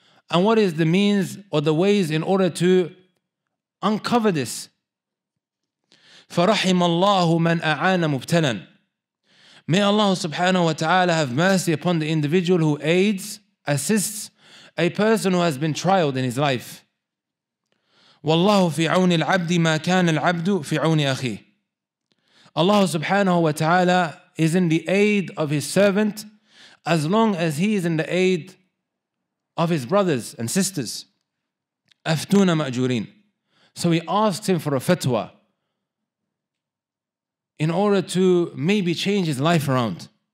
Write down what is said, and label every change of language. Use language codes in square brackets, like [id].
[en] And what is the means or the ways in order to uncover this? [ar] فَرَحِمَ اللَّهُ مَنْ أَعَانَ مُبْتَلًا. [en] May Allah subhanahu wa ta'ala have mercy upon the individual who aids, assists a person who has been trialed in his life. [ar] والله في عون العبد ما كان العبد في عون أخيه. [en] Allah subhanahu wa ta'ala is in the aid of his servant as long as he is in the aid of his brothers and sisters. [ar] أفتون مأجورين. [en] So he asked him for a fatwa in order to maybe change his life around.